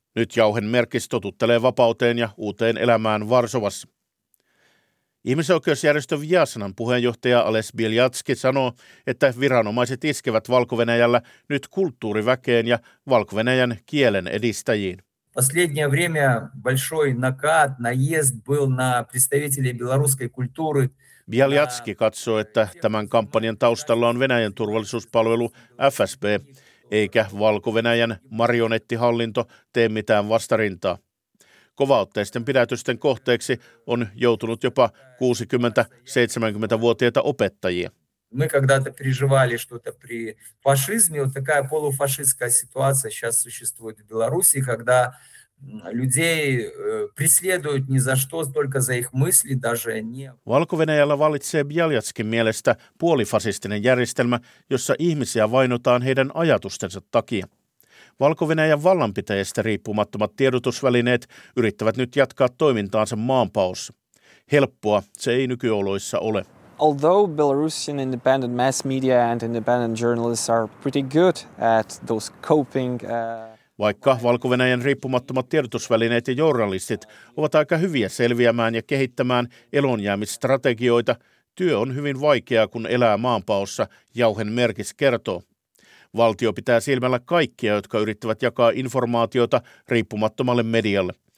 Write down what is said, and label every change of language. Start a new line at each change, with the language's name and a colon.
Finnish: Nyt Jauhen Merkis totuttelee vapauteen ja uuteen elämään Varsovassa. Ihmisoikeusjärjestö Viasnan puheenjohtaja Ales Bieljatski sanoo, että viranomaiset iskevät Valko-Venäjällä nyt kulttuuriväkeen ja Valko-Venäjän kielen edistäjiin.
Russian: Последнее время большой накат, наезд был на представителей белорусской культуры.
Finnish: Bieljatski katsoo, että tämän kampanjan taustalla on Venäjän turvallisuuspalvelu FSB, eikä Valko-Venäjän marionettihallinto tee mitään vastarintaa. Kovaotteisten pidätysten kohteeksi on joutunut jopa 60-70-vuotiaita opettajia.
Russian: Мы когда-то переживали что-то при фашизме, вот такая полуфашистская ситуация сейчас существует в Беларуси, когда людей преследуют ни за что, только за их мысли, даже не.
Finnish: Valko-Venäjällä vallitsee Bieljatskin mielestä puolifasistinen järjestelmä, jossa ihmisiä vainotaan heidän ajatustensa takia. Valko-Venäjän vallanpitäjistä riippumattomat tiedotusvälineet yrittävät nyt jatkaa toimintaansa maanpaossa. Helppoa se ei nykyoloissa ole.
English: Although Belarusian independent mass media and independent journalists are pretty good at those coping.
Finnish: Vaikka Valko-Venäjän riippumattomat tiedotusvälineet ja journalistit ovat aika hyviä selviämään ja kehittämään elonjäämisstrategioita, työ on hyvin vaikeaa, kun elää maanpaossa, Jauhen Merkis kertoo. Valtio pitää silmällä kaikkia, jotka yrittävät jakaa informaatiota riippumattomalle medialle.